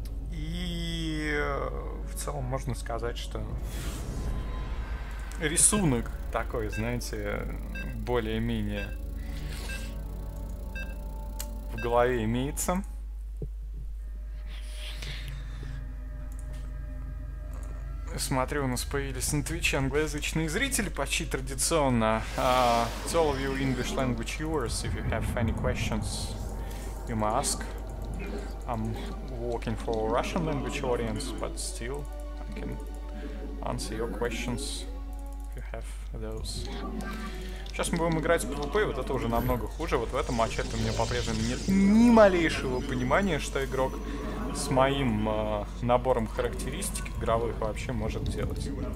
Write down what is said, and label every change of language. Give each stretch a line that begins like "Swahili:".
Russian: И в целом можно сказать, что рисунок такой, знаете, более-менее в голове имеется. Смотрю, у нас появились на Твиче англоязычные зрители, почти традиционно.
English: It's all of you English language viewers. If you have any questions, you may ask. I'm working for a Russian language audience, but still, I can answer your questions if you have those.
Russian: Сейчас мы будем играть в PvP, вот это уже намного хуже. Вот в этом матчапе у меня по-прежнему нет ни малейшего понимания, что игрок с моим набором характеристик игровых вообще может делать.